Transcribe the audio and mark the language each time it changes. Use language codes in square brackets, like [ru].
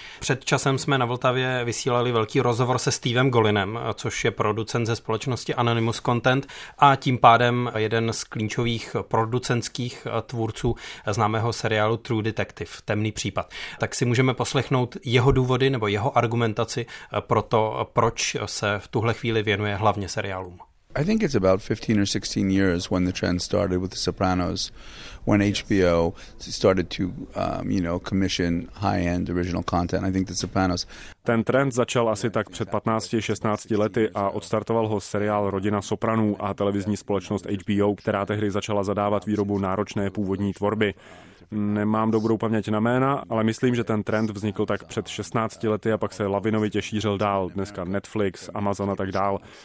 [cs] Před časem jsme na Vltavě vysílali velký rozhovor se Stevem Golinem, což je producent ze společnosti Anonymous Content a tím pádem jeden z klíčových producentských tvůrců známého seriálu True Detective, Temný případ. Tak si můžeme poslechnout jeho důvody nebo jeho argumentaci pro to, proč se v tuhle chvíli věnuje hlavně seriálům. [en] I think it's about 15 or 16 years when the trend started with The Sopranos, when HBO started to, you know, commission high-end original content. I think The Sopranos. [cs] Ten trend začal asi tak před 15-16 lety a odstartoval ho seriál Rodina Sopranů a televizní společnost HBO, která tehdy začala zadávat výrobu náročné původní tvorby. Nemám dobrou paměť na jména, ale myslím, že ten trend vznikl tak před 16 lety a pak se lavinovitě šířil dál, dneska Netflix, Amazon a tak dál.